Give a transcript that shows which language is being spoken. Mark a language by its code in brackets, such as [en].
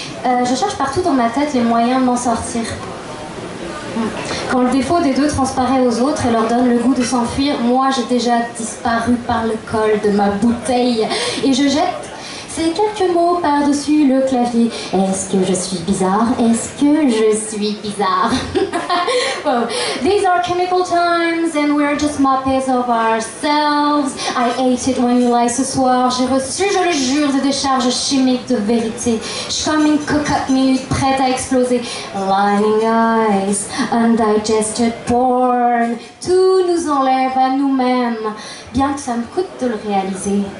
[fr] Je cherche partout dans ma tête les moyens de m'en sortir. Quand le défaut des deux transparaît aux autres et leur donne le goût de s'enfuir, moi j'ai déjà disparu par le col de ma bouteille. Et je jette ces quelques mots par-dessus le clavier. Est-ce que je suis bizarre? Est-ce que je suis bizarre? [en] Well, these are chemical times and we're just muppets of ourselves. I ate it when you lied [fr] ce soir. J'ai reçu, je le jure, des décharges chimiques de vérité. Je suis comme une cocotte minute prête à exploser. [en] Lying eyes, undigested porn. [fr] Tout nous enlève à nous-mêmes. Bien que ça me coûte de le réaliser.